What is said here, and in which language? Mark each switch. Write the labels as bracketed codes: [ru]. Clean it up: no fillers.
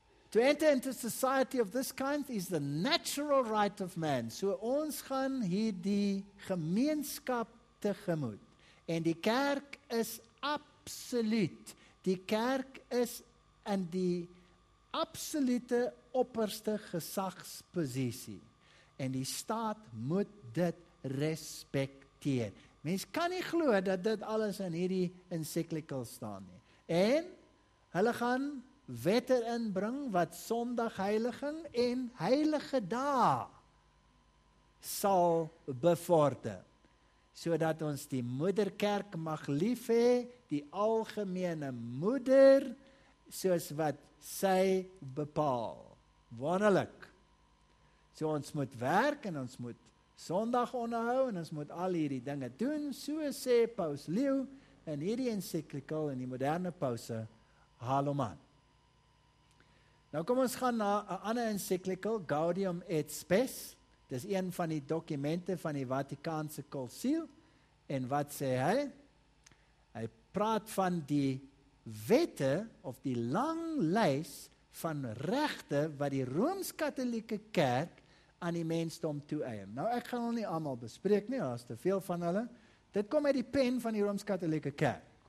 [en] To enter into society of this kind is the natural right of man. [af] So ons gaan hierdie gemeenskap tegemoet. En die kerk is absoluut. Die kerk is in die absolute opperste gesagsposisie. En die staat moet dit respekteer. Mens kan nie glo dat dit alles in hierdie encyclical staan nie. En hulle gaan wette inbring wat sondagheiliging en heilige dae sal bevorder. Sodat ons die moederkerk mag lief hê, die algemene moeder, soos wat sy bepaal. Wonderlik. So ons moet werk en ons moet sondag onderhou en ons moet al hierdie dinge doen, so sê Paus Leo in hierdie encyclical in die moderne pause, haal hom aan. Nou kom ons gaan na 'n ander encyclical, Gaudium et Spes. Dis een van die dokumente van die Vatikaanse konsiel. En wat sê hy? Hy praat van die wette of die lang lys van regte wat die Rooms-Katolieke Kerk aan die mensdom toeëien. Nou ek gaan hulle nie almal bespreek nie, daar is te veel van hulle. Dit kom uit die pen van die Rooms-Katolieke Kerk.